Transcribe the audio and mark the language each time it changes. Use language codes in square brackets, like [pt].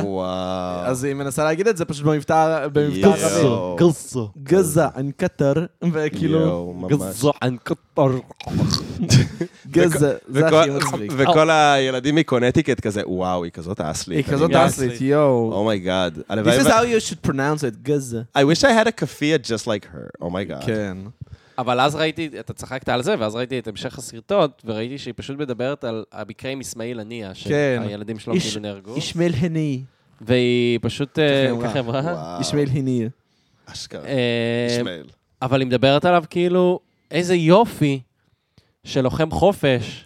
[he] וואו. אז היא מנסה להגיד את זה פשוט במבטא ערבי. גזו. גזו. גזה, אני קטר. וכאילו, גזו, אני קטר. גזה, זה הכי מצליק. וכל הילדים מקונטיקט כזה, וואו, היא כזאת אסלית. היא כזאת אסלית, יו. [en] Oh my god. This is how you should pronounce it, גזה. I wish I had a kafia just like her. Oh my god. [he] כן. אבל אז ראיתי, אתה צחקת על זה, ואז ראיתי את המשך הסרטון, וראיתי שהיא פשוט מדברת על המקרה עם אסמאעיל הנייה, שהילדים שלו כאילו נהרגו. אשמאעיל הנייה. והיא פשוט, ככה אמרה? אשמאעיל הנייה. אשכרה. אשמאעיל. אבל היא מדברת עליו כאילו, איזה יופי של לוחם חופש.